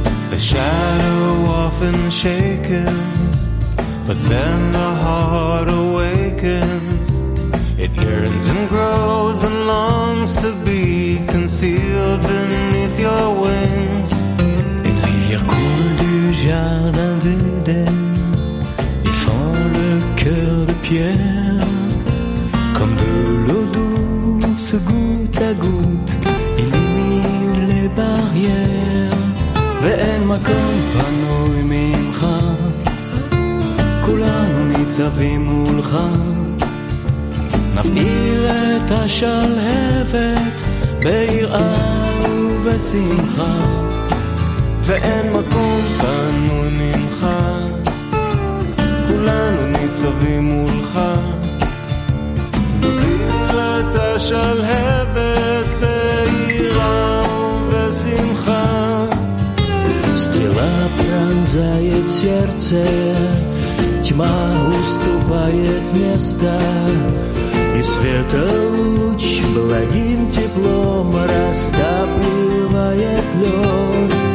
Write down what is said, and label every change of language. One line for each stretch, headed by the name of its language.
English: The shadow often shakens, but then the heart awakens. It yearns and grows and longs to be concealed beneath your wings.
French: Une rivière coule du jardin d'Eden, y fend le cœur de pierre. Comme de l'eau douce, goutte à goutte, illumine les barrières.
Hebrew: ואין מקום פנוי ממך, כולנו ניצבים מולך. נפעיר את השלהבת ביראה ובשמחה. ואין מקום פנוי ממך, כולנו ניצבים מולך. נפעיר את השלהבת ביראה ובשמחה.
Russian: Стрела пронзает сердце, тьма уступает место, и светолуч благим теплом растапливает лед.